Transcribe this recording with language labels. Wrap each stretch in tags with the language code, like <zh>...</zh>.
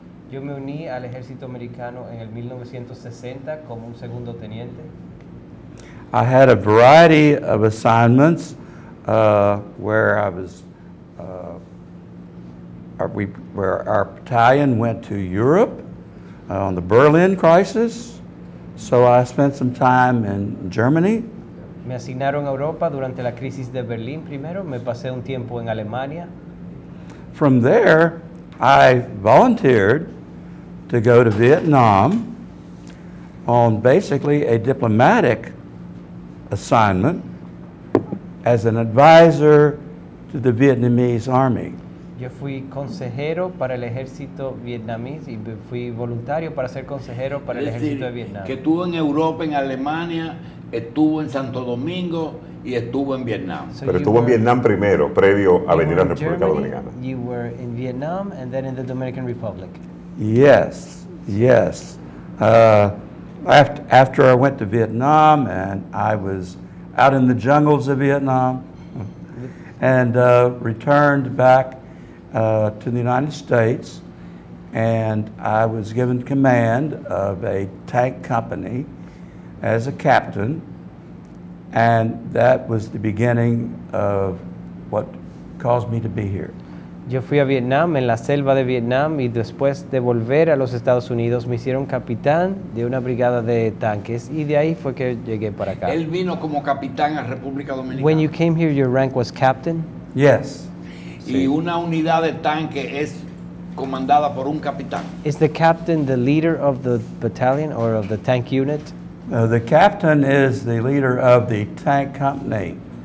<es>Yo me uní al ejército americano en el 1960 como un segundo teniente.</es> <en>I had a variety of assignments where our battalion went to Europe on the Berlin crisis. So I spent some time in Germany.</en> <es>Me asignaron a Europa durante la crisis de Berlín primero. Me pasé un tiempo en Alemania.</es> <en>From there, I volunteered to go to Vietnam on basically a diplomatic assignment as an advisor to the Vietnamese Army.</en> <es>Yo fui consejero para el ejército vietnamita y fui voluntario para ser consejero para el ejército de Vietnam. Que estuvo en Europa, en Alemania, estuvo en Santo Domingo y estuvo en Vietnam. So pero estuvo en Vietnam primero, previo a venir a República Dominicana.</es> <en>You were in Vietnam and then in the Dominican Republic. Yes, yes. After I went to Vietnam and I was out in the jungles of Vietnam and returned back to the United States, and I was given command of a tank company as a captain, and that was the beginning of what caused me to be here.</en> <es>Yo fui a Vietnam, en la selva de Vietnam, y después de volver a los Estados Unidos me hicieron capitán de una brigada de tanques, y de ahí fue que llegué para acá. Él vino como capitán a República Dominicana.</es> <en>When you came here, your rank was captain? Yes.</en> <es>Sí. Y una unidad de tanque es comandada por un capitán.</es> <en>Is the captain the leader of the battalion or of the tank unit? The captain is the leader of the tank company.</en>